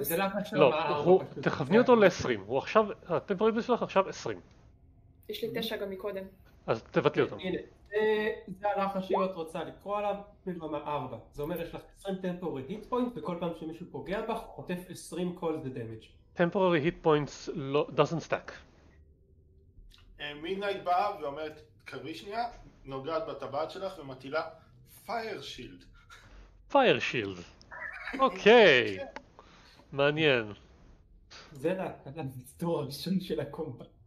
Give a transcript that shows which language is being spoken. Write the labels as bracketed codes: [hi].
[he] 20 תכווני אותו ל-20 הטמפורי פוינט שלך עכשיו 20 יש לי 9 גם מקודם אז תבטלי אותו זה הלך שאם את רוצה לקרוא עליו ברמה 4 זה אומר יש לך 20 temporary hit points וכל פעם שמישהו פוגע בך חוטף 20 cold damage [en] temporary hit points doesn't stack [he] מידנייט באה ואומרת קרבי שנייה נוגעת בטבעת שלך ומטילה פייר שילד. אוקיי. מעניין. זה לסטור הראשון של הקומבה.